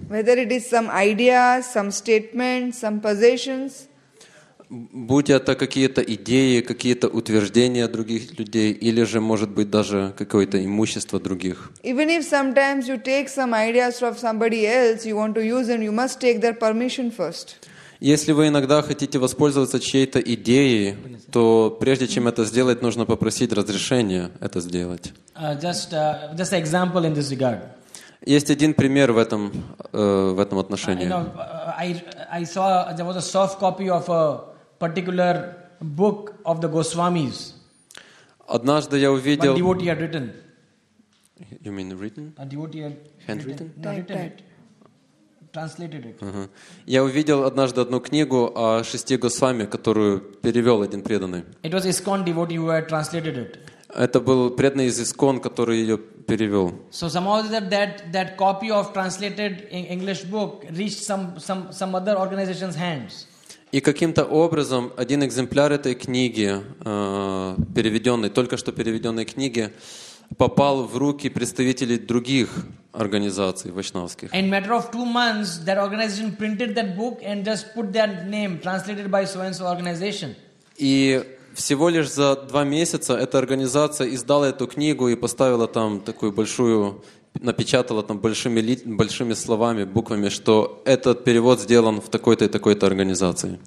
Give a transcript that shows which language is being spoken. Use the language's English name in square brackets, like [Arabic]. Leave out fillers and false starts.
[English] Whether it is some idea, some statement, some possessions. [Russian] Будь это какие-то идеи, какие-то утверждения других людей, или же, может быть, даже какое-то имущество других. [English] Even if sometimes you take some ideas from somebody else, you want to use them, you must take their permission first. [Russian] Если вы иногда хотите воспользоваться чьей-то идеей, то прежде чем это сделать, нужно попросить разрешения это сделать. [English] Just an example in this regard. [Russian] Есть один пример в этом отношении. [English] I saw there was a soft copy of a particular book of the Goswamis. [Russian] Однажды я увидел. [English] A devotee had written. You mean written? A devotee had handwritten. Translated it. [Russian] Я увидел однажды одну книгу о шести Госвами, которую перевел один преданный. [English] It was Iskon devotee who had translated it. [Russian] Это был преданный из Искон, который ее перевел. [English] So somehow that copy of translated English book reached some other organization's hands. [Russian] И каким-то образом один экземпляр этой книги, переведенной, только что переведенной книги, попал в руки представителей других организаций вайшнавских. [English] In a matter of 2 months, that organization printed that book and just put their name, translated by so and so organization. [Russian] И всего лишь за 2 месяца эта организация издала эту книгу и поставила там такую большую, напечатала там большими словами, буквами, что этот перевод сделан в такой-то и такой-то организации.